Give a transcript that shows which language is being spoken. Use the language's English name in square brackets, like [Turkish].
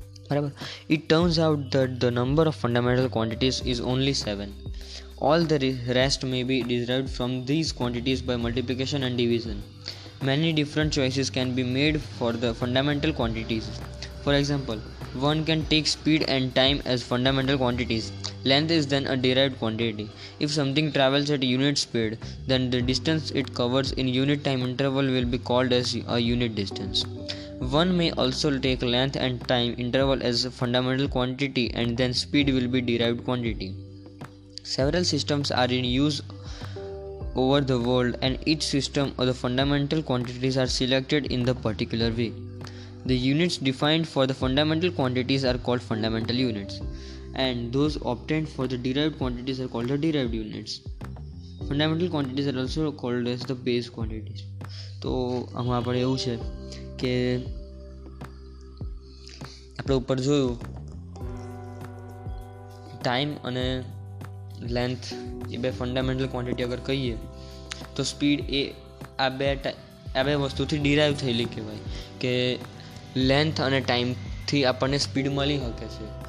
[English] બરાબર, it turns out that the number of fundamental quantities is only 7. All the rest may be derived from these quantities by multiplication and division. Many different choices can be made for the fundamental quantities. For example, one can take speed and time as fundamental quantities. Length is then a derived quantity. If something travels at unit speed, then the distance it covers in unit time interval will be called as a unit distance. One may also take length and time interval as a fundamental quantity, and then speed will be derived quantity. Several systems are in use over the world, and each system or the fundamental quantities are selected in the particular way. The units defined for the fundamental quantities are called fundamental units. And those obtained for the derived quantities are called the derived units. Fundamental quantities are also called as the base quantities. [Gujarati] તો આમાં આપણે એવું છે કે આપણે ઉપર જોયું time અને લેન્થ એ બે ફંડામેન્ટલ ક્વોન્ટિટી અગર કહીએ તો સ્પીડ એ આ બે વસ્તુથી ડિરાઈવ થયેલી કહેવાય, કે લેન્થ અને ટાઈમથી આપણને સ્પીડ મળી શકે છે.